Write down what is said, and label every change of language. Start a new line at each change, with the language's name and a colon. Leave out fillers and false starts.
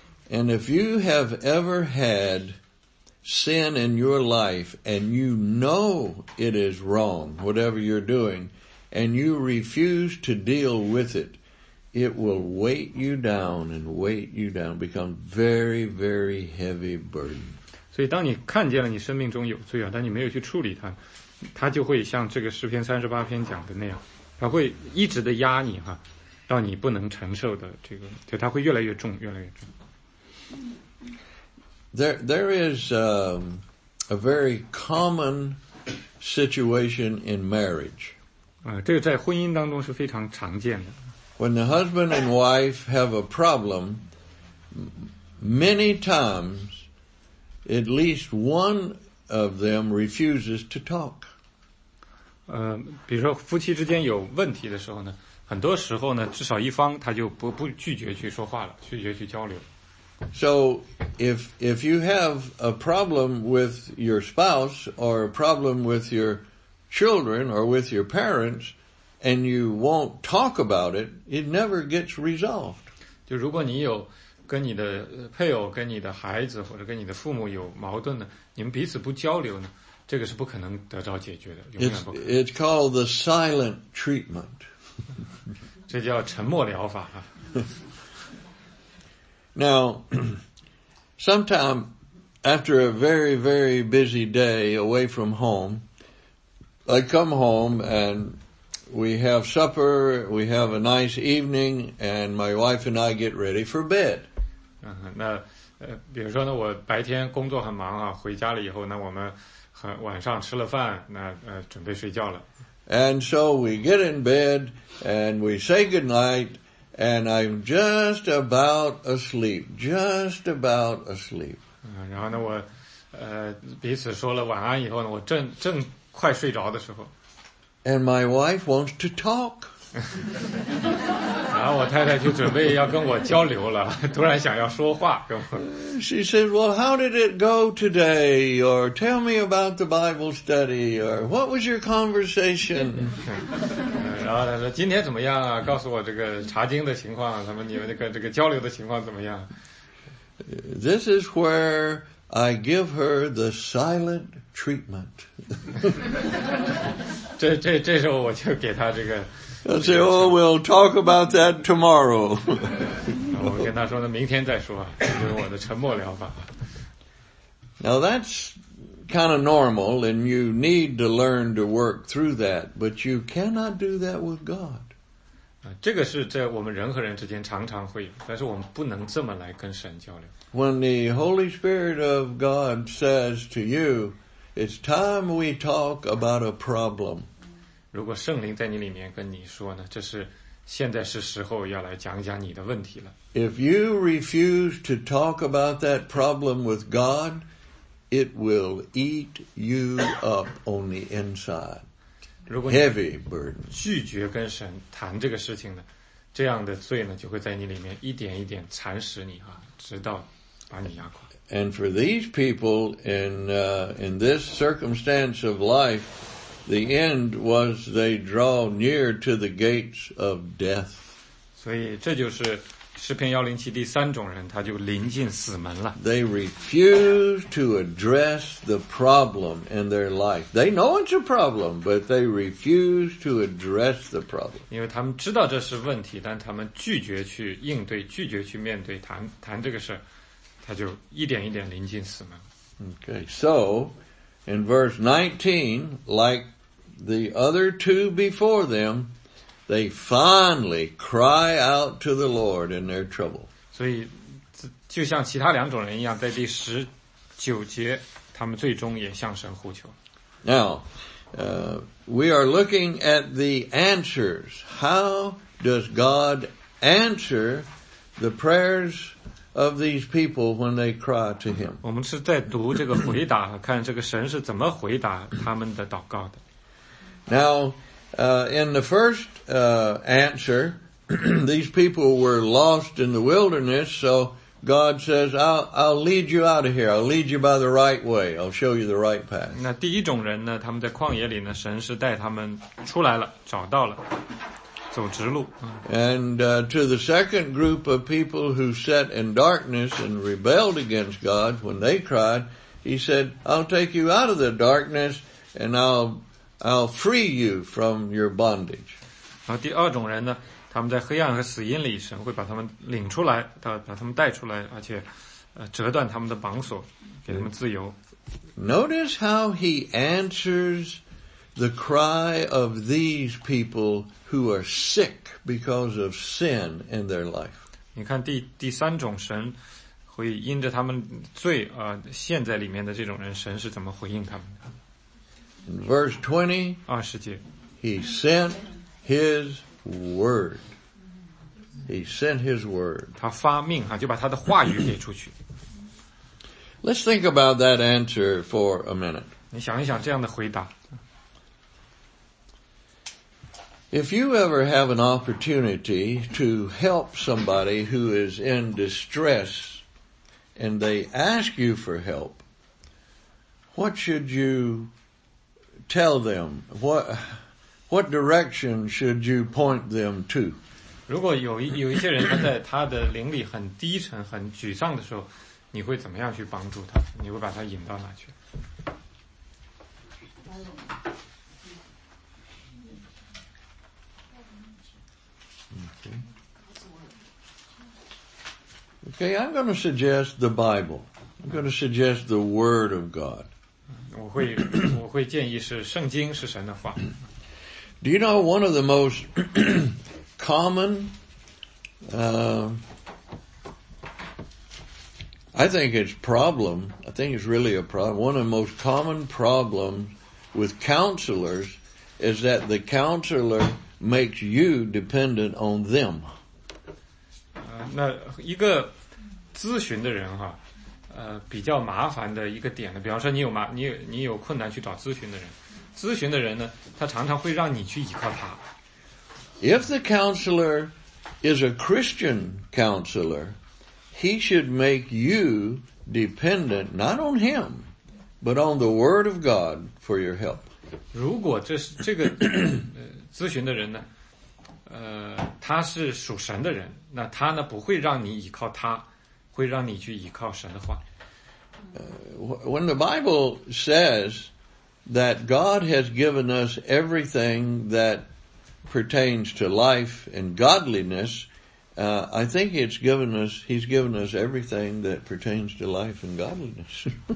English: And if you have ever had sin in your life, and you know it is wrong, whatever you're doing, and you refuse to deal with it, it will weigh you down and weigh you down, become very, very heavy burden.
Chinese: 所以当你看见了你生命中有罪啊，但你没有去处理它，它就会像这个诗篇三十八篇讲的那样，它会一直的压你哈，到你不能承受的这个，就它会越来越重，越来越重。
English: There is a very common situation in marriage.
Chinese: 这个在婚姻当中是非常常见的。
English: When the husband and wife have a problem, many times, at least one of them refuses to talk.
Chinese: 比如说夫妻之间有问题的时候呢，很多时候呢，至少一方他就不拒绝去说话了，拒绝去交流。
English: So, if you have a problem with your spouse or a problem with your children or with your parents, and you won't talk about it, it never gets resolved.
Chinese: 就如果你有跟你的配偶、跟你的孩子或者跟你的父母有矛盾呢，你们彼此不交流呢，这个是不可能得到解决的，永远不可能。
English: It's called the silent treatment.
Chinese: 这叫沉默疗法啊。
English: Now, sometime after a very, very busy day away from home, I come home and we have supper, we have a nice evening, and my wife and I get ready for bed.
Chinese: 那比如说呢，我白天工作很忙啊，回家了以后呢，我们很晚上吃了饭，那准备睡觉了。
English: And so we get in bed and we say goodnight. And I'm just about asleep, just about asleep.
Chinese: 然后呢，我彼此说了晚安以后呢，我正快睡着的时候。
English: And my wife wants to talk.
Chinese: 然后我太太就准备要跟我交流了，突然想要说话跟我。
English: She says, "Well, how did it go today? Or tell me about the Bible study? Or what was your conversation?"
Chinese: 然后他说今天怎么样啊？告诉我这个查经的情况，他们你们这个交流的情况怎么样
English: ？This is where I give her the silent treatment.
Chinese: 这时候我就给他这个。
English: I say, "Oh, we'll talk about that tomorrow."
Chinese: 我跟他说呢，明天再说，这就是我的沉默疗法。
English: Now that's kind of normal, and you need to learn to work through that, but you cannot do that with God.
Chinese: 这个是在我们人和人之间常常会有，但是我们不能这么来跟神交流。
English: When the Holy Spirit of God says to you, it's time we talk about a problem.
Chinese: 如果圣灵在你里面跟你说呢，这是现在是时候要来讲讲你的问题了。
English: If you refuse to talk about that problem with God,It will eat you up on the inside. Heavy burden.
Chinese: 拒绝跟神谈这个事情的，这样的罪呢，就会在你里面一点一点蚕食你啊，直到把你压垮。
English: And for these people in this circumstance of life, the end was they draw near to the gates of death.
Chinese: 所以这就是。诗篇107第三种人他就临近死门了。
English: They refuse to address the problem in their life. They know it's a problem, but they refuse to address the problem.
Chinese: 因为他们知道这是问题，但他们拒绝去应对，拒绝去面对，谈这个事，他就一点一点临近死门。
English: Okay, so, in verse 19, like the other two before them,They finally cry out to the Lord in their trouble.
Chinese: 所以就像其他两种人一样在第十九节他们最终也向神呼求。
English: Now, we are looking at the answers. How does God answer the prayers of these people when they cry to him?
Chinese: 我们是在读这个回答看这个神是怎么回答他们的祷告的。
English: Now,in the first answer, these people were lost in the wilderness, so God says, I'll lead you out of here. I'll lead you by the right way. I'll show you the right path.
Chinese: 那第一种人呢，他们在旷野里呢，神是带他们出来了，找到了，走直路。
English: To the second group of people who sat in darkness and rebelled against God, when they cried, he said, I'll take you out of the darkness and I'll free you from your bondage.
Chinese: 然后第二种人呢，他们在黑暗和死荫里，神会把他们领出来，把他们带出来，而且折断他们的绑锁，给他们自由。
English: Notice how he answers the cry of these people who are sick because of sin in their life.
Chinese: 你看第三种神所以因着他们罪陷在里面的这种人，神是怎么回应他们的？
English: Verse 20,
Chinese: 二十节，
English: He sent His word. He sent His word.
Chinese: 他发命就把他的话语给出去。
English: Let's think about that answer for a minute.
Chinese: 你想一想这样的回答。
English: If you ever have an opportunity to help somebody who is in distress and they ask you for help, what should you tell them? What direction should you point them to?
Chinese: 如果有一些人在他的灵里很低沉、很沮丧的时候，你会怎么样去帮助他？你会把他引到哪去？
English: Okay, I'm going to suggest the Bible. I'm going to suggest the Word of God.
Chinese: 我会建议是圣经，是神的话。
English: Do you know one of the most common, I think it's really a problem. One of the most common problems with counselors is that the counselor makes you dependent on them.
Chinese: 那一个咨询的人比较麻烦的一个点呢，比方说你有困难去找咨询的人，咨询的人呢，他常常会让你去依靠他。
English: If the counselor is a Christian counselor, he should make you dependent not on him, but on the Word of God for your help.
Chinese: 如果这个咨询的人呢，他是属神的人，那他呢不会让你依靠他。会让你去依靠神的话。
English: When the Bible says that God has given us everything that pertains to life and godliness, I think He's given us everything that pertains to life and godliness.